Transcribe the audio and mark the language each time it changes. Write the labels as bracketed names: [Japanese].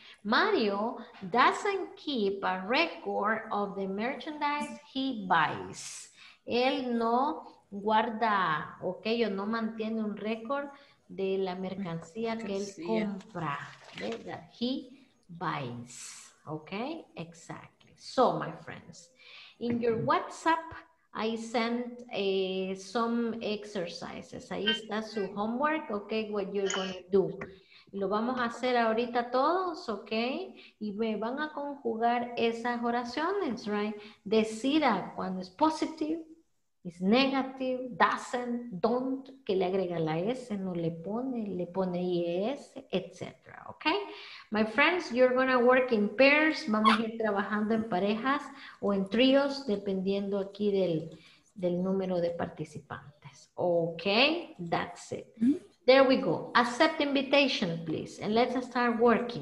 [English] Mario doesn't keep a record of the merchandise he buys. [Spanish] Él no guarda, ¿ok? O no mantiene un récord de la mercancía que él compra, ¿verdad? [English] He buys, okay, exactly. So, my friends, in your WhatsApp, I sent some exercises. [Spanish] Ahí está su [English] homework, okay, what you're going to do. [Spanish] Lo vamos a hacer ahorita todos, okay, y me van a conjugar esas oraciones, right? Decida cuando es positive. Is negative, doesn't, don't, que le agrega la S, no le pone, le pone IES, etc. Okay? [English] My friends, you're going to work in pairs. [Spanish] Vamos a ir trabajando en parejas o en tríos, dependiendo aquí del número de participantes. [English] Okay? That's it. There we go. Accept invitation, please. And let's start working.